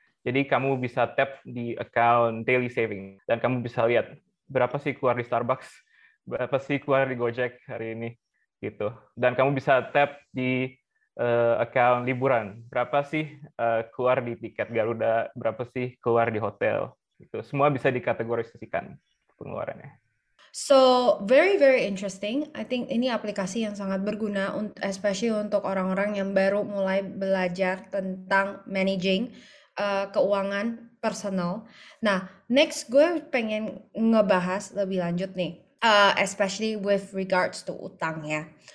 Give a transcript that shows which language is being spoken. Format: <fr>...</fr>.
<id>Jadi kamu bisa tap di account daily saving, dan kamu bisa lihat berapa sih keluar di Starbucks, berapa sih keluar di Gojek hari ini, gitu. Dan kamu bisa tap di account liburan, berapa sih keluar di tiket Garuda, berapa sih keluar di hotel, gitu. Semua bisa dikategorisasikan pengeluarannya.</id> <en>So, very very interesting. I think</en> <id>ini aplikasi yang sangat berguna especially untuk orang-orang yang baru mulai belajar tentang managing keuangan personal. Nah, next gue pengen ngebahas lebih lanjut nih,</id> <en>especially with regards to</en> <id>utang ya.</id>